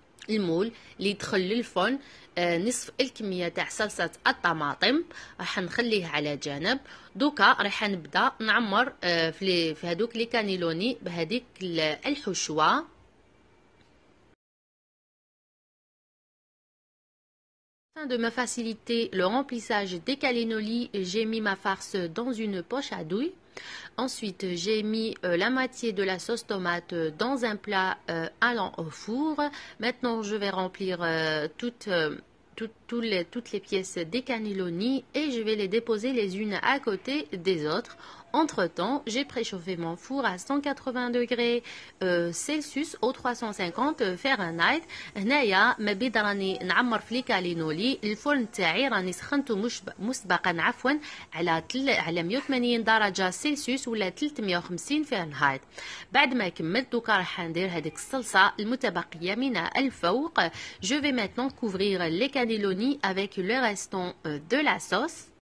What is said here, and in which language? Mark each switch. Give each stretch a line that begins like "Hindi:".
Arabic: المول اللي يدخل للفرن نصف الكمية تاع صلصة الطماطم، راح نخليه على جانب. دوكا راح نبدأ نعمر في هذوك لي كانيلوني بهذيك الحشوة.
French: Afin de me faciliter le remplissage des cannelloni, j'ai mis ma farce dans une poche à douille. Ensuite, j'ai mis la moitié de la sauce tomate dans un plat allant au four. Maintenant, je vais remplir toutes les pièces des cannelloni et je vais les déposer les unes à côté des autres. Entre-temps, j'ai préchauffé mon four à 180 degrés Celsius au 350 Fahrenheit.
Arabic: هنايا ما بيد راني نعمر في لي كالينولي، الفرن تاعي راني سخنته مسبقا عفوا على 180 درجة سلسيوس ولا 350 فهرنهايت. بعد ما كملت دوكا راح ندير هذيك الصلصة المتبقية من الفوق. Je vais maintenant couvrir les cannelloni avec le restant de la sauce.